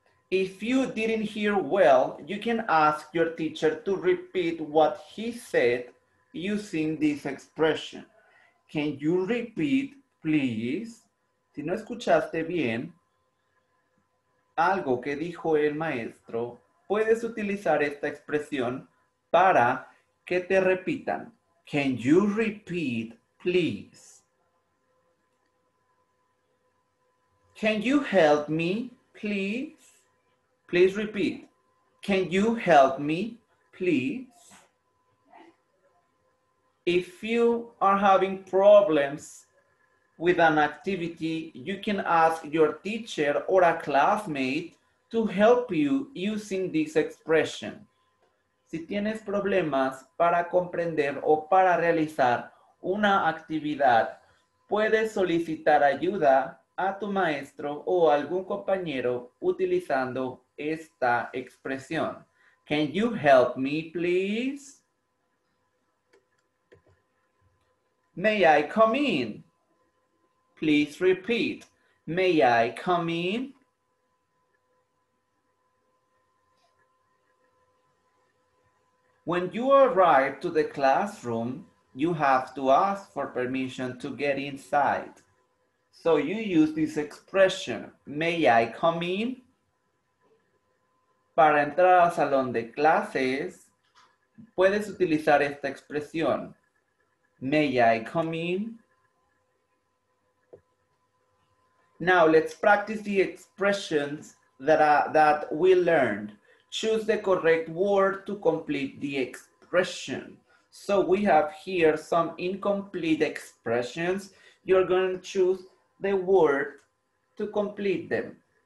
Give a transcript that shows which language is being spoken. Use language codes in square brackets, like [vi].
[en] If you didn't hear well, you can ask your teacher to repeat what he said using this expression. Can you repeat, please? [es] Si no escuchaste bien algo que dijo el maestro, puedes utilizar esta expresión para que te repitan. [en] Can you repeat, please? Can you help me, please? Please repeat. Can you help me, please? If you are having problems with an activity, you can ask your teacher or a classmate to help you using this expression. [es] Si tienes problemas para comprender o para realizar una actividad, puedes solicitar ayuda a tu maestro o algún compañero utilizando esta expresión. [en] Can you help me, please? May I come in? Please repeat. May I come in? When you arrive to the classroom, you have to ask for permission to get inside. So you use this expression, may I come in? [es] Para entrar al salón de clases, puedes utilizar esta expresión, [en] may I come in? Now let's practice the expressions that we learned. Choose the correct word to complete the expression. So we have here some incomplete expressions. You're going to choose the word to complete them.